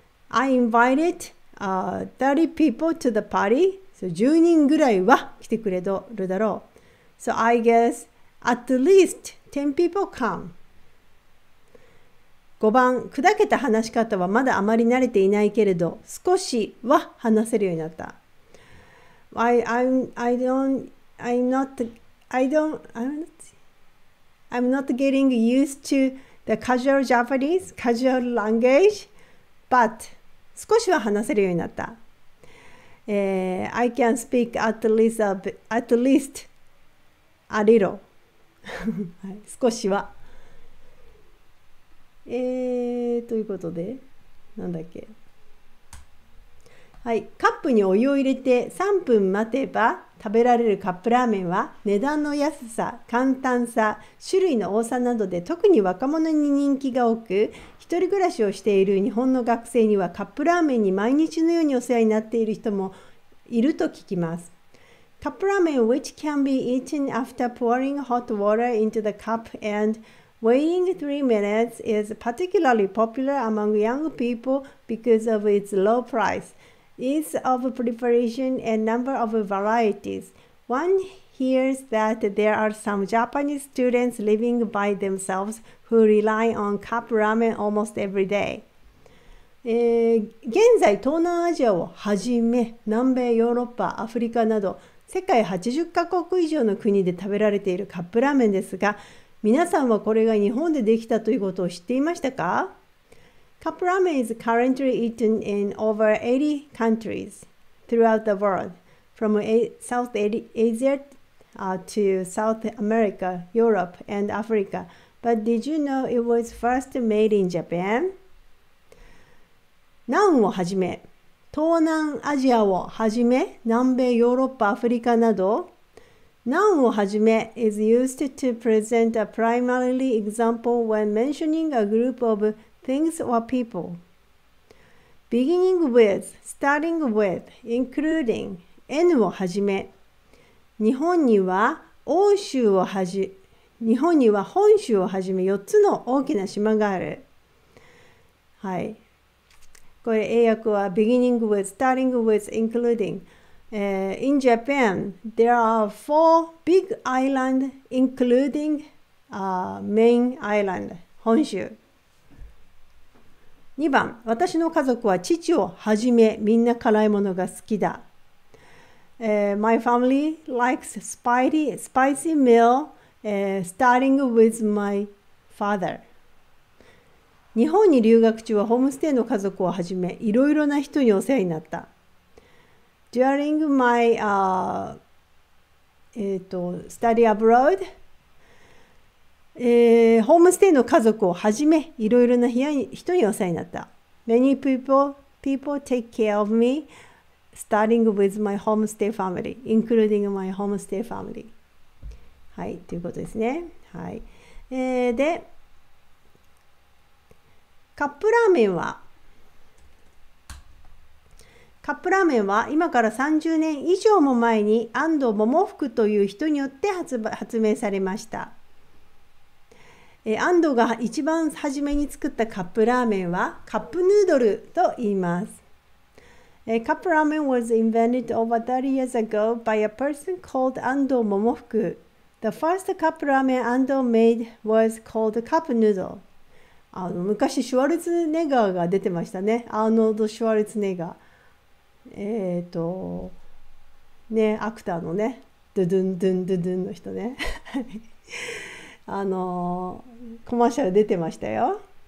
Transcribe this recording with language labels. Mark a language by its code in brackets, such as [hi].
[en] I invited 30 people to the party. So [ja] 10人ぐらいは来てくれるだろう。 [en] So I guess at least 10 people come. [ja] 5番、砕けた話し方はまだあまり慣れていないけれど、少しは話せるようになった。 [en] I'm not getting used to the casual Japanese, casual language, but [ja] 少しは話せるようになった。 [en] I can speak at least a little. [ja] 少しは。ということで、なんだっけ。はい、カップにお湯を入れて3分待てば食べられるカップラーメンは値段の安さ、簡単さ、種類の多さなどで特に若者に人気が多く、一人暮らしをしている日本の学生にはカップラーメンに毎日のようにお世話になっている人もいると聞きます。 [en] カップラーメン which can be eaten after pouring hot water into the cup and waiting 3 minutes is particularly popular among young people because of its low price. Ease of preparation and number of varieties. One hears that there are some Japanese students living by themselves who rely on cup ramen almost every day. [ja] 現在東南アジアをはじめ南米、ヨーロッパ、アフリカなど世界80カ国以上の国で食べられているカップラーメンですが、皆さんはこれが日本でできたということを知っていましたか？ [en] Cup ramen is currently eaten in over 80 countries throughout the world, from South Asia to South America, Europe, and Africa. But did you know it was first made in Japan? [ja] ナンをはじめ、東南アジアをはじめ、南米、ヨーロッパ、アフリカなど、 [en] ナンをはじめ is used to present a primarily example when mentioning a group of things or people. Beginning with, starting with, including, [ja] N をはじめ、日本には欧州をはじ、日本には本州をはじめ4つの大きな島がある。はい。これ英訳は [en] beginning with, starting with, including. In Japan, there are four big islands, including main island, 本州。 [ja] 2番、私の家族は父をはじめみんな辛いものが好きだ。 [en] My family likes spicy meal, starting with my father. [ja] 日本に留学中はホームステイの家族をはじめいろいろな人にお世話になった。 [en] During my study abroad, [ja] ホームステイの家族をはじめいろいろな人にお世話になった。 [en] Many people take care of me, starting with my homestay family, including my homestay family. [ja] はい、ということですね。はい。で、カップラーメンはカップラーメンは今から30年以上も前に安藤桃福という人によって発明されました。安藤が一番初めに作ったカップラーメンはカップヌードルと言います。 [en] カップラーメン was invented over 30 years ago by a person called 安藤桃福。 The first cup ramen Ando made was called cup noodle. [ja] 昔シュワルツネガーが出てましたね。アーノルド・シュワルツネガー。ね、アクターのね、ドゥドゥンドゥンドゥドゥンの人ね。コマーシャル出てましたよ。